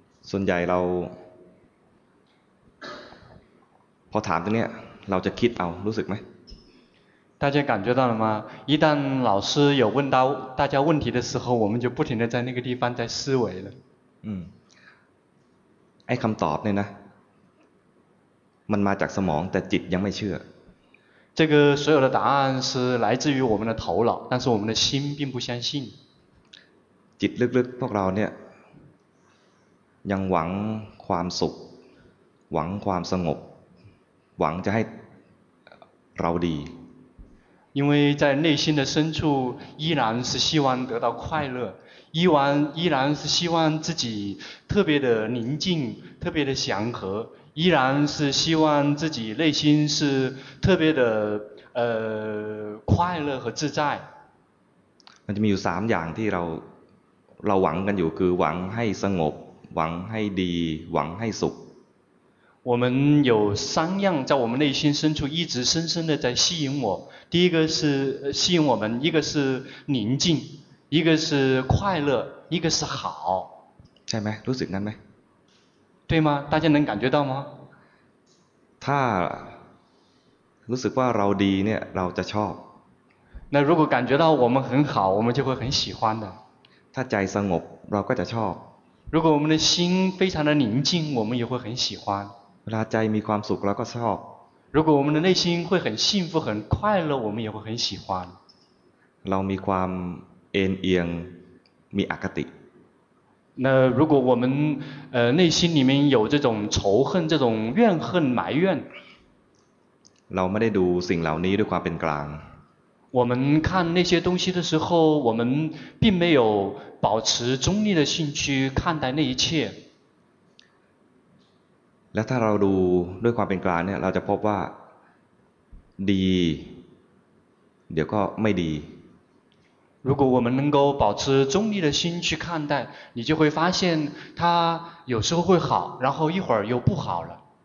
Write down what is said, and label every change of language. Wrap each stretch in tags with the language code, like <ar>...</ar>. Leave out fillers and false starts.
<th>ส่วนใหญ่เราพอถามตรงนี้เราจะคิดเอารู้สึกไหม</th> <zh>大家感觉到了吗一旦老师有问到大家问题的时候我们就不停的在那个地方在思维了</zh> <th>ไอ้คำตอบเนี่ยนะมันมาจากสมองแต่จิตยังไม่เชื่อ</th> <zh>这个所有的答案是来自于我们的头脑但是我们的心并不相信</zh> <th>จิตลึกๆพวกเราเนี่ยยังหวังความสุขหวังความสงบหวังจะให้เราดี</th> <zh>因为在内心的深处依然是希望得到快乐依然是希望自己特别的宁静特别的祥和依然是希望自己内心是特别的快乐和自在</zh> <th>มันจะมีอยู่3อย่างที่เราหวังกันอยู่คือหวังให้สงบหวังให้ดีหวังให้สุข</th> <zh>我们有三样在我们内心深处一直深深的在吸引我第一个是吸引我们一个是宁静一个是快乐一个是好</zh> <th>ใช่ไหมรู้สึกนั้นไหม</th> <zh>对吗大家能感觉到吗</zh> <th>ถ้ารู้สึกว่าเราดีเนี่ยเราจะชอบ</th> <zh>那如果感觉到我们很好我们就会很喜欢的</zh> <th>ถ้าใจสงบเราก็จะชอบ</th> <zh>如果我们的心非常的宁静我们也会很喜欢</zh> <th>เวลาใจมีความสุขเราก็ชอบ</th> <zh>如果我们的内心会很幸福很快乐我们也会很喜欢</zh> <th>เรามีความเอ็นเอียงมีอคติ</th> <zh>那如果我们内心里面有这种仇恨这种怨恨埋怨</zh> <th>เราไม่ได้ดูสิ่งเหล่านี้ด้วยความเป็นกลาง</th> <zh>我们看那些东西的时候我们并没有保持中立的心去看待那一切</zh> <th>และถ้าเราดูด้วยความเป็นกลางเนี่ยเราจะพบว่าดี เดี๋ยวก็ไม่ดี</th> <zh>如果我们能够保持中立的心去看待你就会发现它有时候会好然后一会儿又不好了</zh>